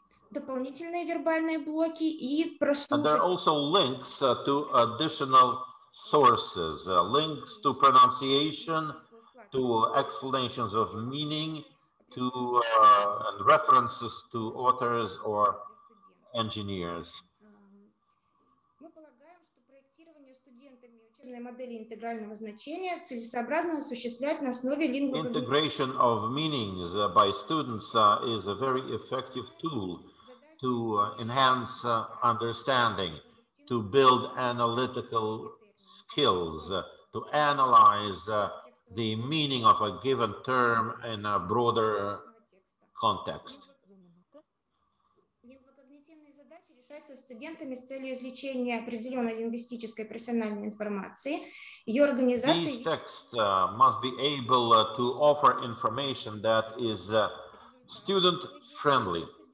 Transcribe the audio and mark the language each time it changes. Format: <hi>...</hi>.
<ru>Дополнительные вербальные блоки и прослушать.</ru> <en>And there are also links to additional sources, links to pronunciation, to explanations of meaning, to and references to authors or engineers.</en> <ru>Мы полагаем, что проектирование студентами учебной модели интегрального значения целесообразно осуществлять на основе лингвокогнитивной.</ru> <en>Integration of meanings by students is a very effective tool to enhance understanding, to build analytical skills, to analyze the meaning of a given term in a broader context.</en> <ru>Лингвокогнитивные задачи решаются студентами с целью извлечения определенной лингвистической профессиональной информации, ее организации.</ru> <en>These texts must be able to offer information that is student-friendly.</en>